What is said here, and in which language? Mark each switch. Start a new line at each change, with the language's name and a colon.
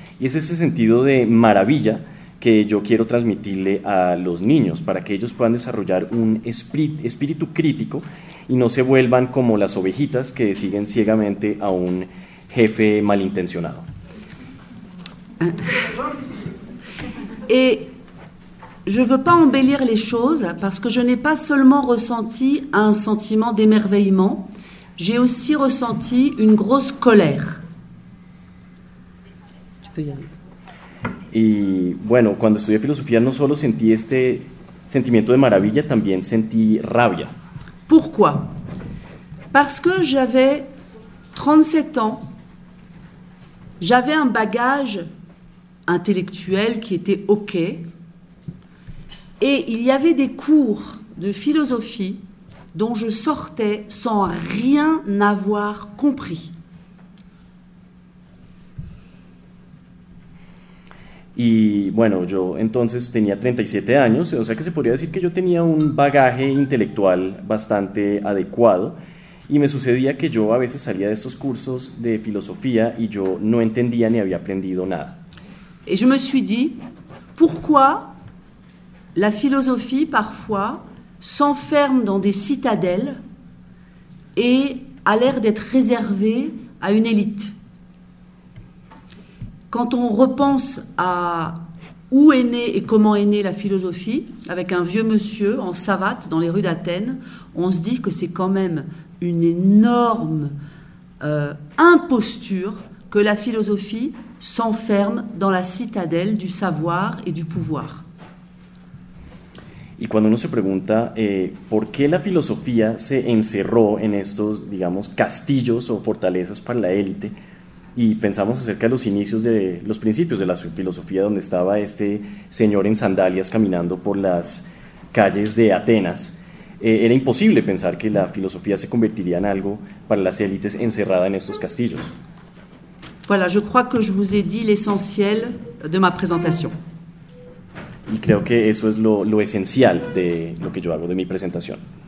Spanish: Y es ese sentido de maravilla que yo quiero transmitirle a los niños, para que ellos puedan desarrollar un espíritu crítico y no se vuelvan como las ovejitas que siguen ciegamente a un jefe malintencionado.
French: Je ne veux pas embellir les choses parce que je n'ai pas seulement ressenti un sentiment d'émerveillement, j'ai aussi ressenti une grosse colère. Tu peux y aller.
Spanish: Y bueno, cuando estudié filosofía no solo sentí este sentimiento de maravilla, también sentí rabia.
French: Pourquoi? Parce que j'avais 37 ans, j'avais un bagage intellectuel qui était ok, et il y avait des cours de philosophie dont je sortais sans rien avoir compris.
Spanish: Y bueno, yo entonces tenía 37 años, o sea que se podría decir que yo tenía un bagaje intelectual bastante adecuado, y me sucedía que yo a veces salía de estos cursos de filosofía y yo no entendía ni había aprendido nada.
French: Et je me suis dit, pourquoi la philosophie parfois s'enferme dans des citadelles et a l'air d'être réservée à une élite? Quand on repense à où est née et comment est née la philosophie, avec un vieux monsieur en savate dans les rues d'Athènes, on se dit que c'est quand même une énorme imposture que la philosophie s'enferme dans la citadelle du savoir et du pouvoir.
Spanish: Y cuando uno se pregunta por qué la filosofía se encerró en estos, digamos, castillos o fortalezas para la élite, y pensamos acerca de los inicios de los principios de la filosofía, donde estaba este señor en sandalias caminando por las calles de Atenas, era imposible pensar que la filosofía se convertiría en algo para las élites encerrada en estos castillos.
French: Voilà, je crois que je vous ai dit l'essentiel de ma présentation.
Spanish: Y creo que eso es lo esencial de lo que yo hago, de mi presentación.